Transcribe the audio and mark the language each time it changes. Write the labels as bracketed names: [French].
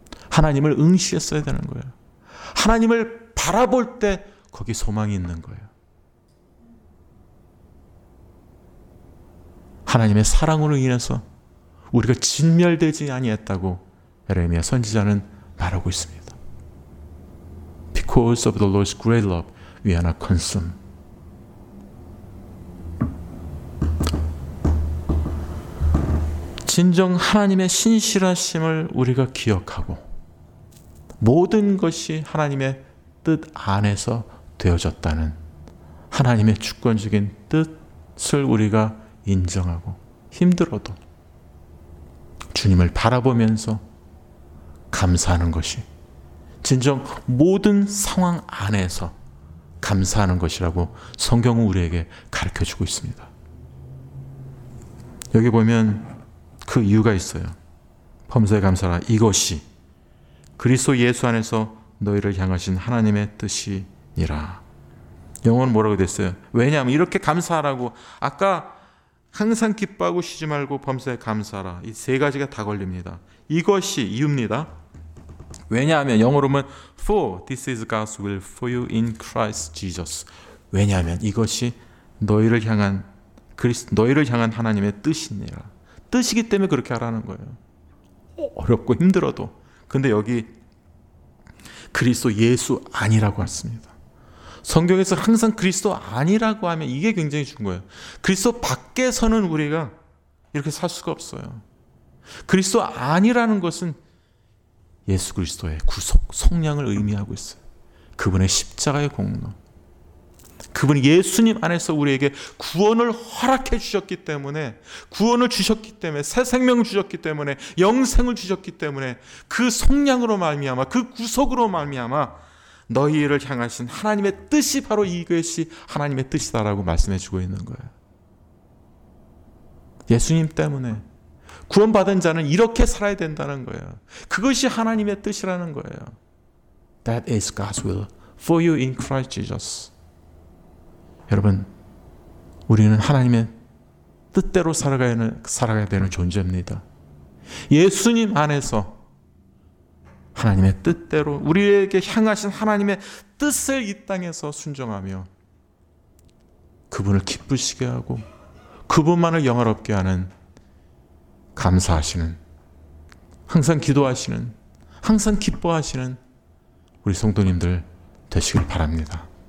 [Korean] 하나님을 응시했어야 되는 거예요. 하나님을 바라볼 때 거기 소망이 있는 거예요. 하나님의 사랑으로 인해서 우리가 진멸되지 아니했다고 예레미야 선지자는 말하고 있습니다. [English] Because of the Lord's great love, we are not consumed. [Korean] 진정 하나님의 신실하심을 우리가 기억하고 모든 것이 하나님의 뜻 안에서 되어졌다는 하나님의 주권적인 뜻을 우리가 인정하고 힘들어도 주님을 바라보면서 감사하는 것이 진정 모든 상황 안에서 감사하는 것이라고 성경은 우리에게 가르쳐주고 있습니다. 여기 보면 그 이유가 있어요. 범사에 감사라. 이것이 그리스도 예수 안에서 너희를 향하신 하나님의 뜻이니라. 영어는 뭐라고 됐어요? 왜냐하면 이렇게 감사하라고 아까 항상 기뻐하고 쉬지 말고 범사에 감사하라. 이 세 가지가 다 걸립니다. 이것이 이유입니다. 왜냐하면 영어로는 [English] For this is God's will for you in Christ Jesus. [Korean] 왜냐하면 이것이 너희를 향한 너희를 향한 하나님의 뜻이니라. 뜻이기 때문에 그렇게 하라는 거예요. 어렵고 힘들어도. 근데 여기 그리스도 예수 아니라고 했습니다. 성경에서 항상 그리스도 아니라고 하면 이게 굉장히 중요한 거예요. 그리스도 밖에서는 우리가 이렇게 살 수가 없어요. 그리스도 아니라는 것은 예수 그리스도의 구속, 속량을 의미하고 있어요. 그분의 십자가의 공로. 그분이 예수님 안에서 우리에게 구원을 허락해 주셨기 때문에, 구원을 주셨기 때문에, 새 생명을 주셨기 때문에, 영생을 주셨기 때문에, 그 속량으로 말미암아, 그 구속으로 말미암아 너희를 향하신 하나님의 뜻이 바로 이것이 하나님의 뜻이다라고 말씀해 주고 있는 거예요. 예수님 때문에 구원받은 자는 이렇게 살아야 된다는 거예요. 그것이 하나님의 뜻이라는 거예요. [English] That is God's will for you in Christ Jesus. [Korean] 여러분, 우리는 하나님의 뜻대로 살아가야 되는 존재입니다. 예수님 안에서 하나님의 뜻대로 우리에게 향하신 하나님의 뜻을 이 땅에서 순종하며 그분을 기쁘시게 하고 그분만을 영화롭게 하는 감사하시는 항상 기도하시는 항상 기뻐하시는 우리 성도님들 되시길 바랍니다.